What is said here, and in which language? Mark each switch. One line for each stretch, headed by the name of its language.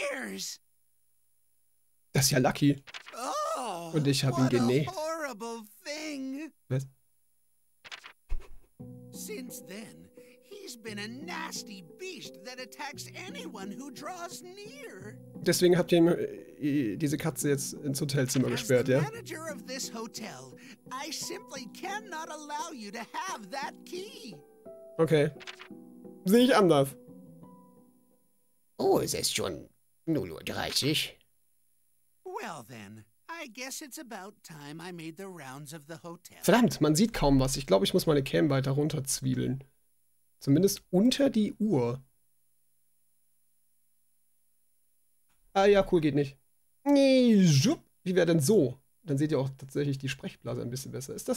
English: Ears.
German: Das ist ja Lucky. Oh, und ich habe ihn genäht.
English: Horrible thing.
German: Was?
English: Since then, he's been a nasty beast that attacks anyone who draws near.
German: Deswegen habt ihr ihm diese Katze jetzt ins Hotelzimmer gesperrt, ja?
English: As the manager of this hotel, I simply cannot allow you to have that key.
German: Okay. Sehe ich anders. Oh, es ist schon 0.30 Uhr.
English: Well then, I guess it's about time I made the rounds of the hotel.
German: Verdammt, man sieht kaum was. Ich glaube, ich muss meine Cam weiter runterzwiebeln. Zumindest unter die Uhr. Ah ja, cool, geht nicht. Nee, schupp. Wie wäre denn so? Dann seht ihr auch tatsächlich die Sprechblase ein bisschen besser.